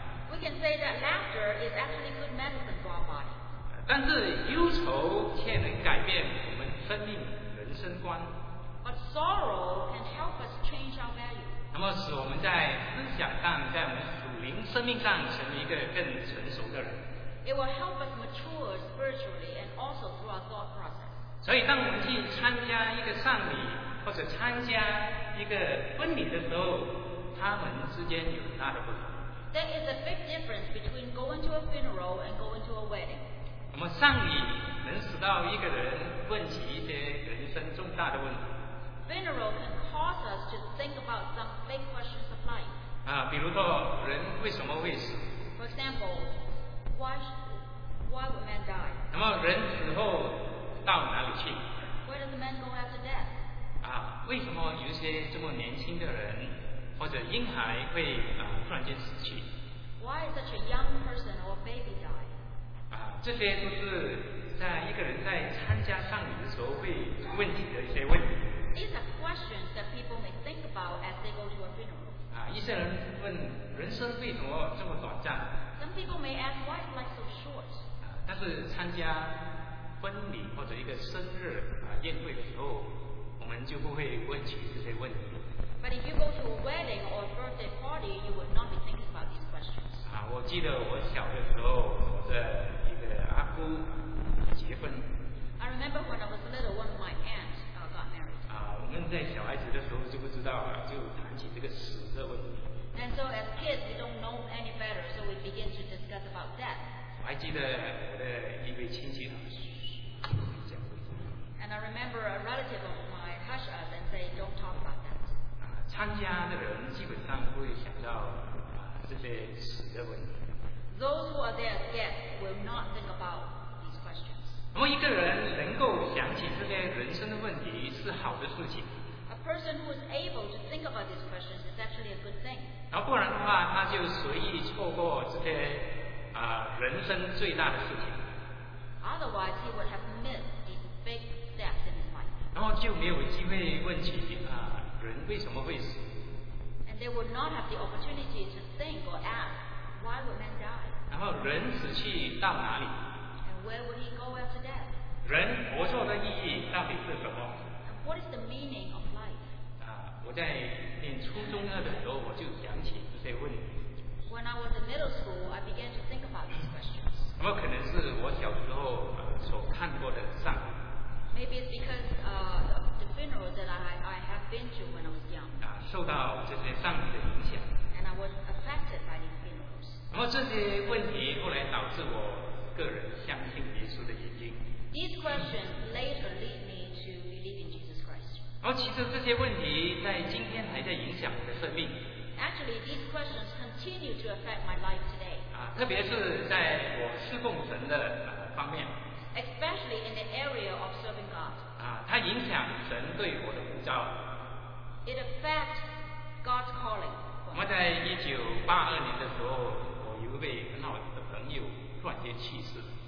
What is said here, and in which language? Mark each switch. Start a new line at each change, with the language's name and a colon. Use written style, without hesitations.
English: We can say that laughter is actually good medicine for our body.
Chinese: 但是忧愁却能改变我们生命人生观。
English: But sorrow can help us change our value.
Chinese: 那么使我们在思想上，在我们属灵生命上成一个更成熟的人。
English: It will help us mature spiritually and also through our thought process.
Chinese: 所以当我们去参加一个丧礼或者参加一个婚礼的时候，他们之间有很大的不同。
English: There is a big difference between going to a funeral and going to a wedding.
Chinese: 那么丧礼能使到一个人问起一些人生重大的问题。
English: Funeral can cause us to think about some big questions of life.
Chinese: 啊，比如说人为什么会死
English: ？For example, why would man die?
Chinese: 那么人死后到哪里去
English: ？Where does the man go after death?
Chinese: 啊，为什么有些这么年轻的人？或者婴孩会突然间死去。
English: Why is such a young person or baby die?
Chinese: 这些都是在一个人在参加丧礼的时候会问起的一些问题。
English: These are questions that people may think about as they go to a funeral.
Chinese: 一些人问人生为什么这么短暂。
English: Some people may ask why is life so short?
Chinese: 但是参加婚礼或者一个生日宴会的时候，我们就不会问起这些问题。
English: But if you go to a wedding or a birthday party, you would not be thinking about these questions.
Chinese: 我记得我小的时候，我的一个阿姑结婚。
English: I remember when I was little, one of my aunts got married.
Chinese: 我们在小孩子的时候就不知道了，就谈起这个死的问题。
English: And so as kids, we don't know any better, so we begin to discuss about death.
Chinese: 我还记得我的一位亲戚讲。
English: And I remember a relative of mine hush us and say, "Don't talk about that."
Chinese: 参加的人基本上不会想到这些死的问题。
English: Those who are there as guests will not think about these questions.
Chinese: 那么一个人能够想起这些人生的问题是好的事情。
English: A person who is able to think about these questions is actually a good thing.
Chinese: 然后不然的话，他就随意错过这些人生最大的事情。
English: Otherwise, he would have missed these big steps in his life.
Chinese: 然后就没有机会问起人为什么会死？
English: And they would not have the opportunity to think or ask why would man die.
Chinese: 然后人死去到哪里？
English: And where would he go after death?
Chinese: 人活着的意义到底是什么？
English: And what is the meaning of life?
Chinese: 我在念初中二的时候，我就想起这些问题。
English: When I was in middle school, I began to think about these questions.
Chinese: 那么可能是我小时候所看过的丧。
English: Maybe it's because the funeral that I have been to when I was young.
Chinese: 受到这些丧礼的影响。
English: And I was affected by these funerals.
Chinese: 然后这些问题后来导致我个人相信耶稣的原因。
English: These questions later lead me to believe in Jesus Christ.
Chinese: 然后其实这些问题在今天还在影响我的生命。
English: Actually, these questions continue to affect my life today.
Chinese: 特别是在我侍奉神的方面。
English: Especially in the area of serving God.
Chinese: 它影响神对我的呼召。
English: It affects God's calling.
Chinese: 我在1982年的时候，我有一位很好的朋友突然间去世。